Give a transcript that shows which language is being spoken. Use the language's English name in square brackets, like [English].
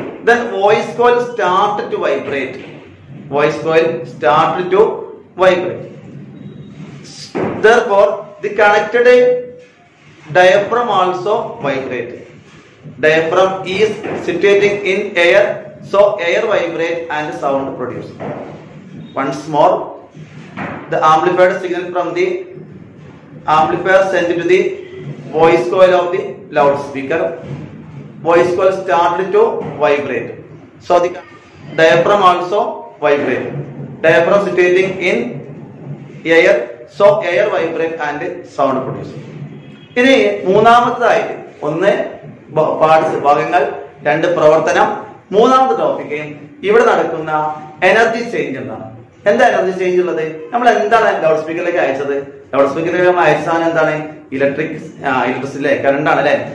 [English] Then voice coil start to vibrate. Voice coil start to vibrate. Therefore the connected diaphragm also vibrate. Diaphragm is situating in air, so air vibrate and sound produce. Once more, the amplifier signal from the amplifier sent to the voice coil of the loudspeaker. Voice coil started to vibrate. So the diaphragm also vibrated. Diaphragm situating in air, so air vibrate and sound produced. [Malayalam] ഇനി മൂന്നാമത്തേതായിട്ട് ഒന്ന് parts ഭാഗങ്ങൾ, രണ്ട് പ്രവർത്തനം. മൂന്നാമത്തെ topic ഇവിടെ നടക്കുന്ന energy change എന്നാണ്. എന്താ എനർജി ചേഞ്ച് ഉള്ളത്? നമ്മൾ എന്താണ് ലൗഡ് സ്പീക്കറിലേക്ക് അയച്ചത്? ലൗഡ് സ്പീക്കറിലേക്ക് നമ്മൾ അയച്ചാണ് എന്താണ്, ഇലക്ട്രിസിറ്റി കറണ്ട് ആണ് അല്ലെ.